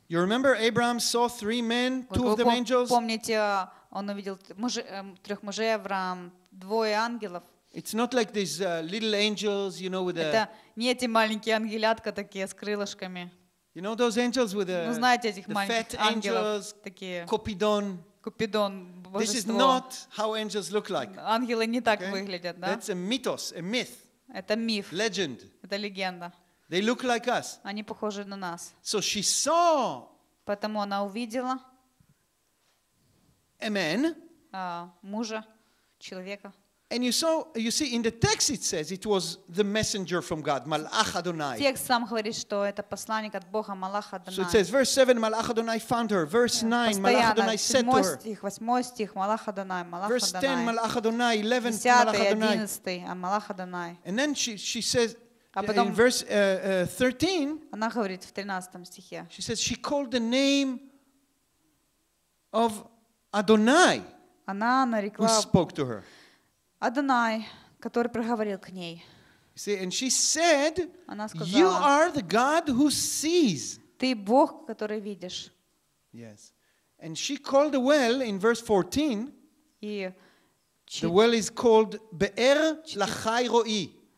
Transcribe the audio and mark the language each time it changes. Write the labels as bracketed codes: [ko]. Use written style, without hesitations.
[en] You remember Abraham saw three men, two of them angels. [ru] Помните, он увидел трех мужей Авраам, двое ангелов. [en] It's not like these little angels, you know, with [ru] это не эти маленькие ангелятка такие с крылышками. [en] You know those angels with the fat angels, [ru] такие. Купидон. Купидон. [en] This is not how angels look like. [ru] Ангелы не так выглядят, да? [en] That's a mythos, a myth. [ru] Это миф. [en] Legend. [ru] Это легенда. [en] They look like us. [ru] Они похожи на нас. [en] So she saw. [ru] Поэтому она увидела. [en] A man. [ru] Мужа, человека. [en] And you see, in the text it says it was the messenger from God, Malach Adonai. [ru] Текст сам говорит, что это посланник от Бога, Малах Адонай. [en] So it says, verse 7, Malach Adonai found her. Verse 9, Malach Adonai said to her. [ru] 8 стих, Малах Адонай, Малах Адонай. [en] Verse 10, Malach Adonai, 11, Malach Adonai. [ru] 10, 11, Малах Адонай. [en] And then she says, in verse 13, [ru] она говорит в 13 стихе. [en] She says, she called the name of Adonai, who spoke to her. [ru] Адонай, который проговорил к ней. [en] See, and she said, [ru] она сказала, [en] you are the God who sees. [ru] Ты Бог, который видишь. [en] Yes. And she called the well in verse 14. The well is called Be'er Lachai Ro'i.